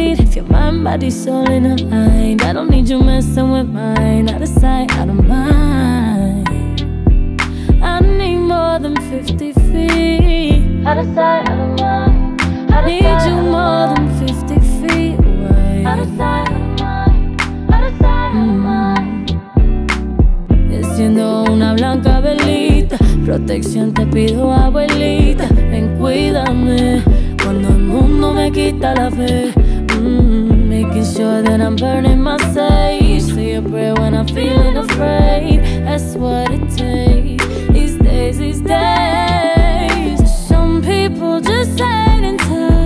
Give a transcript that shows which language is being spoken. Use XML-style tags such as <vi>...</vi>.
<en>If you're mind, body, soul, and a mind, I don't need you messing with mine. Out of sight, out of mind. I need more than 50 feet. Out of sight, out of mind. I need you more than 50 feet away. Out of sight, out of mind. Out of sight, out of mind.</en> <es>Siendo una blanca velita, protección te pido, abuelita. Ven, cuídame cuando el mundo me quita la fe.</es> <en>Making sure that I'm burning my sage. Say a prayer when I'm feeling afraid. That's what it takes these days, these days. Some people just hang in touch.</en>